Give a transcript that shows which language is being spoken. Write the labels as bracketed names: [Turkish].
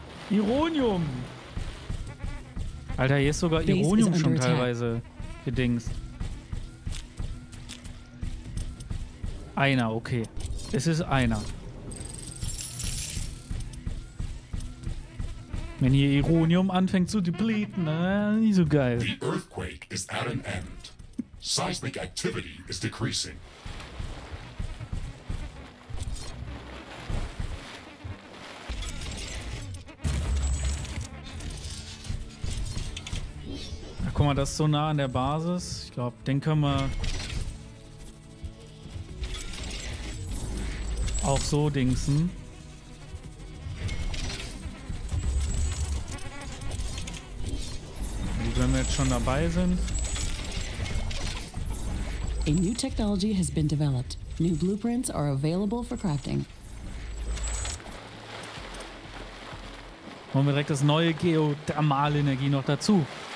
[German] Ironium! Alter, hier ist sogar Ironium schon teilweise gedingst. Einer, okay. Es ist einer. Wenn hier Ironium anfängt zu depleten, nicht so geil. [English] The earthquake is at an end. Seismic activity is decreasing. [German] Ach, guck mal, das ist so nah an der Basis. Ich glaube, den können wir auch so dingsen. Wenn wir jetzt schon dabei sind. [English] A new technology has been developed. New blueprints are available for crafting. [German] Wollen wir direkt das neue Geothermalenergie noch dazu?